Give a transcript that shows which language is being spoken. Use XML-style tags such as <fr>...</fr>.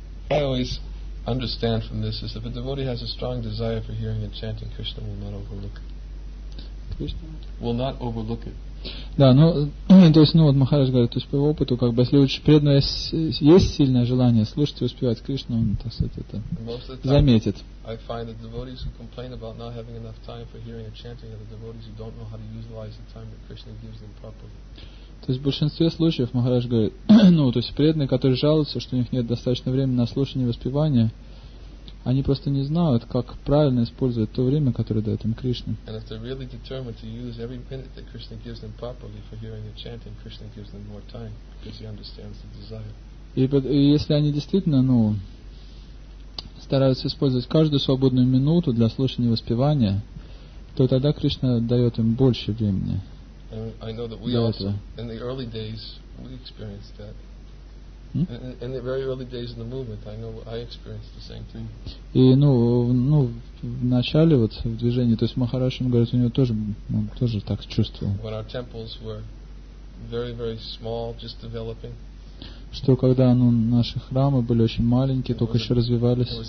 <en>Anyways, understand from this is if a devotee has a strong desire for hearing and chanting, Krishna will not overlook it. Krishna will not overlook it.</en> <ru>Да, ну, то есть, ну, вот Махарадж говорит, то есть по его опыту, как бы, если у преданного есть сильное желание слушать и успевать Кришну, он, так сказать, это заметит.</ru> <en>I find that devotees who complain about not having enough time for hearing and chanting are the devotees who don't know how to utilize the time that Krishna gives them properly.</en> <ru>То есть в большинстве случаев Махарадж говорит, ну, то есть преданные, которые жалуются, что у них нет достаточно времени на слушание и воспевание, они просто не знают, как правильно использовать то время, которое дает им Кришна.</ru> <en>And if they're really determined to use every minute that Krishna gives them properly for hearing and chanting, Krishna gives them more time because he understands the desire.</en> <ru>И если они действительно, ну, стараются использовать каждую свободную минуту для слушания и воспевания, то тогда Кришна дает им больше времени.</ru> <en>I know that we also, in the early days, we experienced that. In the very early days in the movement, I know I experienced the same thing.</en> <ru>И, ну, ну, в начале вот в движении, то есть Махарадж, он говорит, у него тоже, он тоже так чувствовал.</ru> <en>When our temples were very, very small, just developing.</en> <ru>что когда ну, наши храмы были очень маленькие, только еще развивались,</ru>